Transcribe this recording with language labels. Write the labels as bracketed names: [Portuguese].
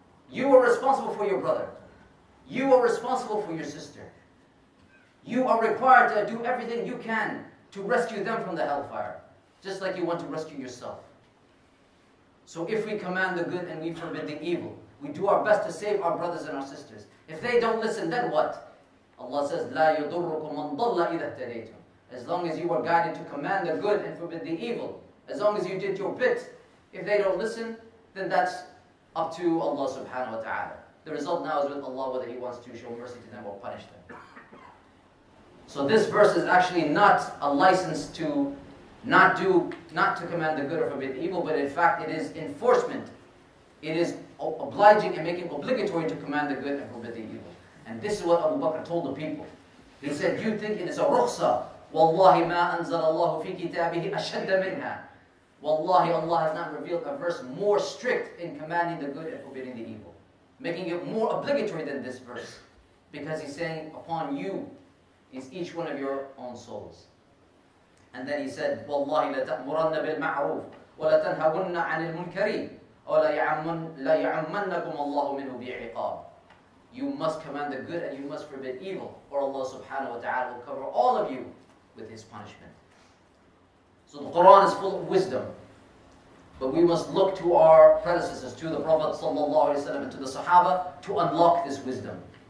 [English] You are responsible for your brother. You are responsible for your sister. You are required to do everything you can to rescue them from the hellfire, just like you want to rescue yourself. So if we command the good and we forbid the evil, we do our best to save our brothers and our sisters. If they don't listen, then what? Allah says, [Arabic] لَا يَضُرُّكُمْ مَنْ ضَلَّ إِذَا اهْتَدَيْتُمْ. [English] As long as you are guided to command the good and forbid the evil, as long as you did your bit, if they don't listen, then that's up to Allah subhanahu wa ta'ala. The result now is with Allah, whether He wants to show mercy to them or punish them. So this verse is actually not a license to not to command the good or forbid the evil, but in fact it is enforcement. It is obliging and making obligatory to command the good and forbid the evil. And this is what Abu Bakr told the people. He said, you think it is a rukhsah, [Arabic] وَاللَّهِ مَا أَنزَلَ اللَّهُ فِي كِتَابِهِ أَشَدَّ مِنْهَا. [English] Wallahi, Allah has not revealed a verse more strict in commanding the good and forbidding the evil, making it more obligatory than this verse. Because He's saying, upon you is each one of your own souls. And then He said, [Arabic] وَاللَّهِ لَتَأْمُرَنَّ بِالْمَعْرُوفِ وَلَتَنْهَوُنَّ عَنِ الْمُنْكَرِ وَلَيَعَمَّنَّكُمَ اللَّهُ مِنْهُ بِعِقَابِ. [English] You must command the good and you must forbid evil, or Allah subhanahu wa ta'ala will cover all of you with His punishment. So the Quran is full of wisdom, but we must look to our predecessors, to the Prophet sallallahu alaihi wasallam, and to the Sahaba to unlock this wisdom.